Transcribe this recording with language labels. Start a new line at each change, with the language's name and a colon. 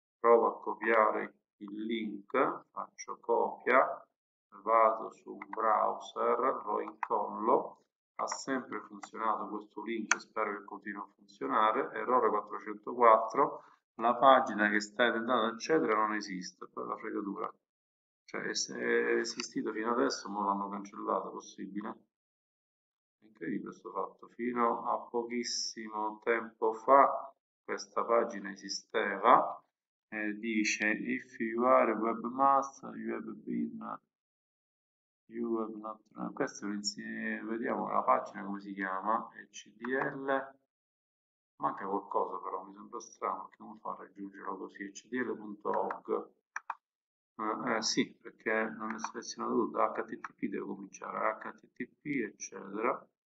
Italian: Provo a copiare il link, faccio copia, vado su un browser, lo incollo, ha sempre funzionato questo link, spero che continui a funzionare, errore 404, la pagina che stai tentando accedere non esiste, per la fregatura, cioè è esistito fino adesso, ma l'hanno cancellato, possibile? Incredibile questo fatto, fino a pochissimo tempo fa questa pagina esisteva. Dice,
English: if you are a webmaster, you have not.
Italian: Questo è insieme, vediamo la pagina come si chiama, ECDL. Manca qualcosa però, mi sembra strano, che non fa raggiungerlo così, ECDL.org. Sì, perché non è selezionato tutto, da HTTP deve cominciare, HTTP, eccetera.